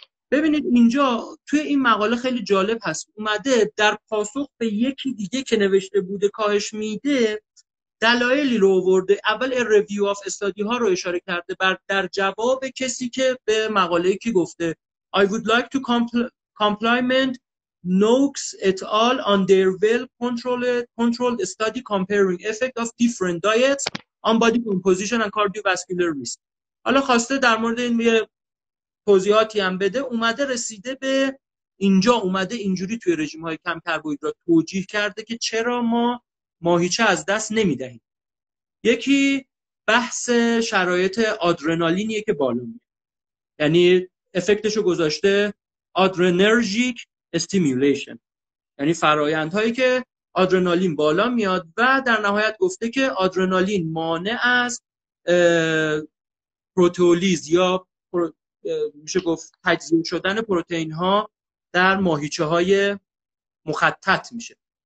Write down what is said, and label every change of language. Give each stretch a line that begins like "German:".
Persian: ببینید اینجا توی این مقاله خیلی جالب هست، اومده در پاسخ به یکی دیگه که نوشته بوده کاهش میده، دلایلی رو آورده. اول ریویو آف استادی ها رو اشاره کرده، بعد در جواب کسی که به مقاله کی گفته
English: I would like to compliment Noakes et al. On their well-controlled study comparing effect of different diets on body composition and cardiovascular risk.
Persian: حالا خواسته در مورد این میگه توضیحاتی هم بده، اومده رسیده به اینجا، اومده اینجوری توی رژیم های کم کربوهیدرات توجیه کرده که چرا ما ماهیچه از دست نمیدهیم. یکی بحث شرایط آدرنالینیه که بالا میاد، یعنی افکتشو گذاشته آدرنرژیک استیمولیشن، یعنی فرایندهایی که آدرنالین بالا میاد، و در نهایت گفته که آدرنالین مانع از پروتئولیز یا میشه گفت تجزیه شدن پروتئین ها در ماهیچه های مخطط میشه.